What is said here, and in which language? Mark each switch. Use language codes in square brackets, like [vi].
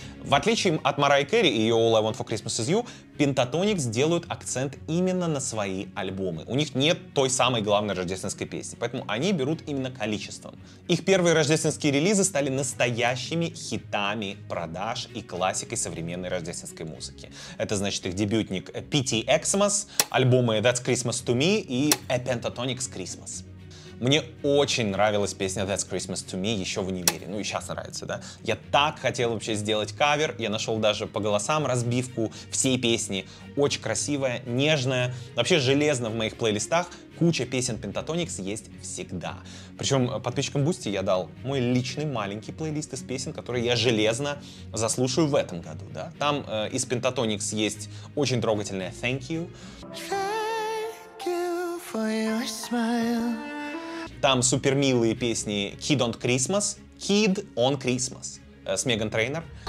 [ru] В отличие от Mariah Carey и ее All I Want For Christmas Is You, Pentatonix делают акцент именно на свои альбомы. У них нет той самой главной рождественской песни, поэтому они берут именно количеством. Их первые рождественские релизы стали настоящими хитами продаж и классикой современной рождественской музыки. Это значит их дебютник PTXmas, альбомы That's Christmas To Me и A Pentatonix Christmas. Мне очень нравилась песня That's Christmas To Me еще в универе. Ну и сейчас нравится, да? Я так хотел вообще сделать кавер. Я нашел даже по голосам разбивку всей песни. Очень красивая, нежная. Вообще железно в моих плейлистах. Куча песен Pentatonix есть всегда. Причем подписчикам Boosty я дал мой личный маленький плейлист из песен, которые я железно заслушаю в этом году, да? Там из Pentatonix есть очень трогательная Thank You. [en] Thank you for your smile. [ru] Там супермилые песни Kid on Christmas, Kid on Christmas с Меган Трейнер.